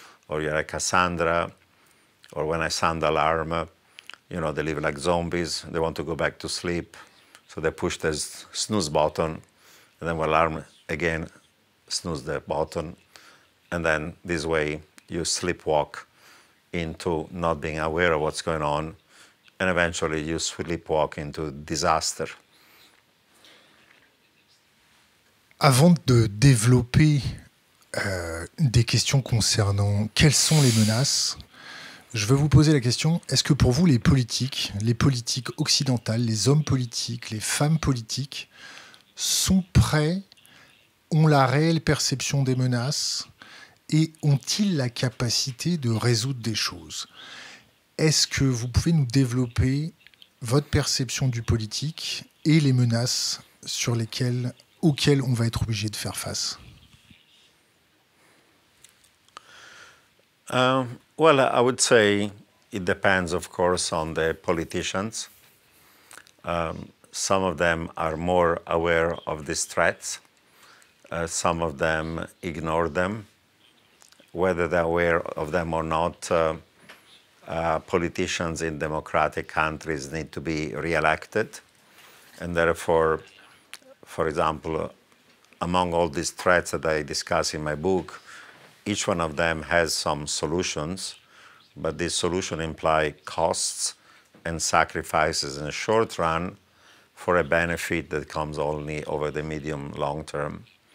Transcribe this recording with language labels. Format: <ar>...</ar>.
<en>or you're a Cassandra, or when I sound alarm, you know, they live like zombies, they want to go back to sleep, so they push the snooze button, and then when alarm again, snooze the button, and then this way you sleepwalk into not being aware of what's going on, and eventually you sleepwalk into disaster.</en> <fr>Avant de développer des questions concernant quelles sont les menaces, je veux vous poser la question, est-ce que pour vous les politiques occidentales, les hommes politiques, les femmes politiques sont prêts, ont la réelle perception des menaces et ont-ils la capacité de résoudre des choses? Est-ce que vous pouvez nous développer votre perception du politique et les menaces sur lesquelles auxquels on va être obligé de faire face?</fr> <en>Well, I would say it depends, of course, on the politicians. Some of them are more aware of these threats. Some of them ignore them. Whether they're aware of them or not, politicians in democratic countries need to be re-elected, and therefore, for example, among all these threats that I discuss in my book, each one of them has some solutions, but these solutions imply costs and sacrifices in the short run for a benefit that comes only over the medium long term.</en>